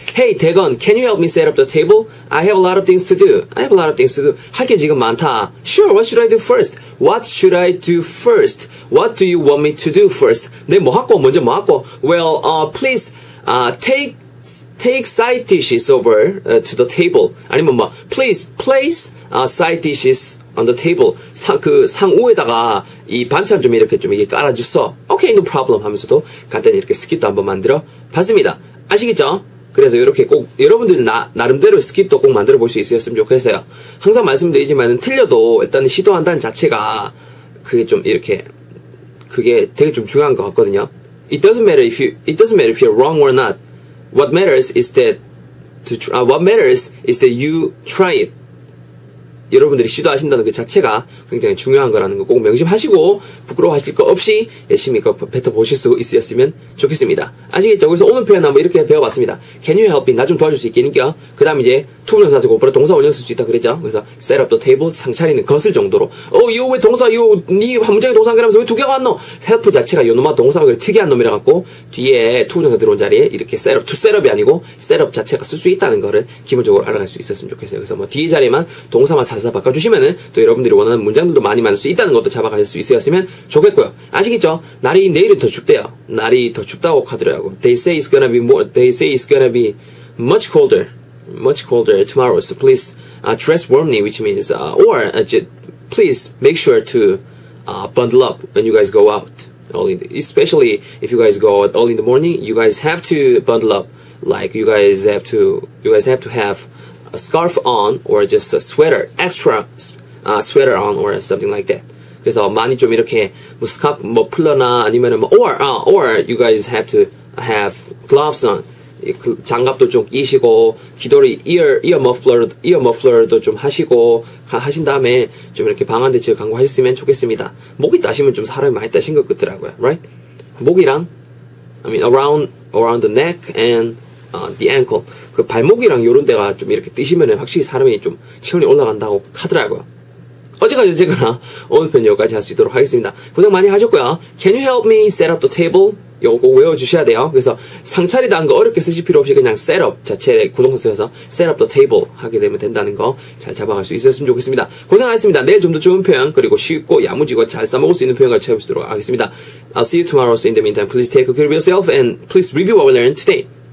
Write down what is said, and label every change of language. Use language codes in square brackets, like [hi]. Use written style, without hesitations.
[en] Hey, 대건 Can you help me set up the table? I have a lot of things to do. I have a lot of things to do. [ko] 할 게 지금 많다. [en] Sure, what should I do first? What should I do first? What do you want me to do first? [ko] 내 뭐 할 거 먼저 뭐 할 거? [en] Well, please take side dishes over to the table. [ko] 아니면 뭐 [en] please place side dishes on the table. [ko] 상 위에다가 이 반찬 좀 이렇게 좀 이게 깔아 주소. [en] Okay, no problem [ko] 하면서도 간단히 이렇게 스킵도 한번 만들어 봤습니다. 아시겠죠? 그래서 이렇게 꼭 여러분들 나름대로 스킵도 꼭 만들어 볼 수 있었으면 좋겠어요. 항상 말씀드리지만은 틀려도 일단 시도한다는 자체가 그게 좀 이렇게 그게 되게 좀 중요한 것 같거든요. [en] It doesn't matter if you're wrong or not. What matters is that what matters is that you try it. [ko] 여러분들이 시도하신다는 그 자체가 굉장히 중요한 거라는 거 꼭 명심하시고 부끄러워하실 거 없이 열심히 뱉어보실 수 있으셨으면 좋겠습니다. 아시겠죠? 그래서 오늘 표현 한번 이렇게 배워봤습니다. [en] Can you help me? [ko] 나 좀 도와줄 수 있겠니? 그 다음 이제 투명사지고 오빠로 동사 원형 쓸 수 있다 그랬죠? 그래서 [en] set up the table, [ko] 상 차리는 것을 정도로 이거 왜 동사, 이거 니 한 문장에 동사 한 개 하면서 왜 두 개가 왔노? Help 자체가 이놈아 동사가 특이한 놈이라 갖고 뒤에 투명사 들어온 자리에 이렇게 set up, to set up이 아니고 set up 자체가 쓸 수 있다는 거를 기본적으로 알아갈 수 있었으면 좋겠어요. 그래서 뭐 뒤에 자리만 동사만 사사 바꿔주시면은 또 여러분들이 원하는 문장들도 많이 만들 수 있다는 것도 잡아가실 수 있었으면 좋겠고요. 아시겠죠? 날이 내일은 더 춥대요. 날이 더 춥다고 하더라고. [en] They say it's gonna be more. They say it's gonna be much colder, much colder tomorrow. So please dress warmly, which means please make sure to bundle up when you guys go out. Especially if you guys go out early in the morning, you guys have to bundle up. Like you guys have to have a scarf on or just a sweater, extra sweater on or something like that. [ko] 그래서 많이 좀 이렇게 뭐 스카프 뭐 풀러나 아니면은 뭐 [en] or you guys have to have gloves on. [ko] 장갑도 좀 끼시고 귀돌이 ear muffler도 좀 하시고 하신 다음에 좀 이렇게 방안 대책을 강구하셨으면 좋겠습니다. 목이 따시면 좀 사람이 많이 따신 것 같더라고요. [en] Right? 목이랑 I mean around the neck and the ankle. [ko] 그 발목이랑 요런 데가 좀 이렇게 뜨시면은 확실히 사람이 좀 체온이 올라간다고 하더라고요. 어쨌거나 오늘 편 여기까지 할 수 있도록 하겠습니다. 고생 많이 하셨고요. Can you help me set up the table? 요거 꼭 외워주셔야 돼요. 그래서 상 차리다는 거 어렵게 쓰실 필요 없이 그냥 set up 자체에 구동사 쓰여서 set up the table 하게 되면 된다는 거 잘 잡아갈 수 있었으면 좋겠습니다. 고생하셨습니다. 내일 좀 더 좋은 표현 그리고 쉽고 야무지고 잘 써먹을 수 있는 표현을 채워보도록 하겠습니다. [en] I'll see you tomorrow. So in the meantime, please take care of yourself and please review what we learned today.